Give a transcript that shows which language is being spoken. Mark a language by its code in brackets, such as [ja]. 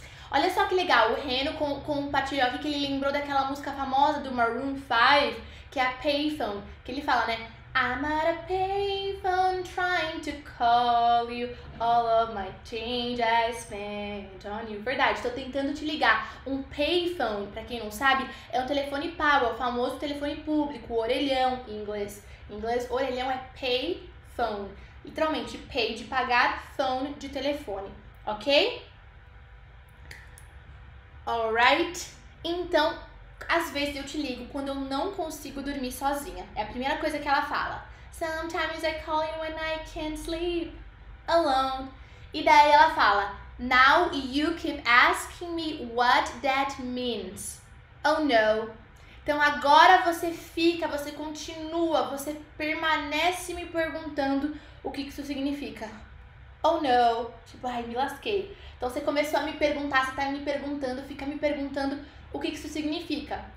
[pt] Olha só que legal, o Reno compartilhou aqui que ele lembrou daquela música famosa do Maroon 5, que é a Payphone, que ele fala, né? [en] I'm at a payphone trying to call you, all of my change I spent on you. [pt] Verdade, tô tentando te ligar. Um payphone, pra quem não sabe, é um telefone pago, é o famoso telefone público, o orelhão em inglês. Em inglês, orelhão é payphone. Literalmente, pay de pagar, phone de telefone, ok? Alright, então, às vezes eu te ligo quando eu não consigo dormir sozinha. É a primeira coisa que ela fala. [en] Sometimes I call you when I can't sleep alone. [pt] E daí ela fala, [en] now you keep asking me what that means. Oh no. [pt] Então agora você fica, você continua, você permanece me perguntando o que isso significa. [en] Oh no, [pt] tipo, ai, me lasquei. Então você começou a me perguntar, você tá me perguntando, fica me perguntando o que isso significa.